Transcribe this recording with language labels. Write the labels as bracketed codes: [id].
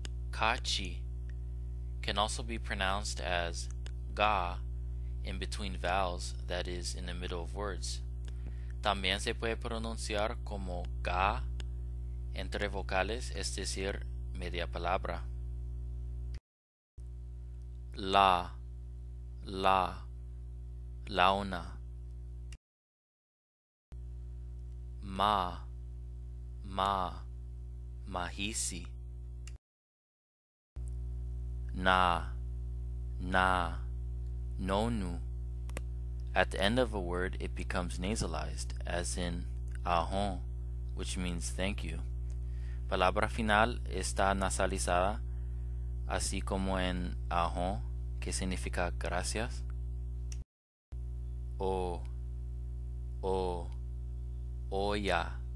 [en] Kachi can also be pronounced as ga in between vowels, that is, in the middle of words. [es] También se puede pronunciar como ga entre vocales, es decir, media palabra. La, la, launa. Ma, ma, mahisi. Na, na, nonu. [en] At the end of a word, it becomes nasalized, as in ahon, which means thank you. [es] Palabra final está nasalizada, así como en ahon, que significa gracias. O, o, oya.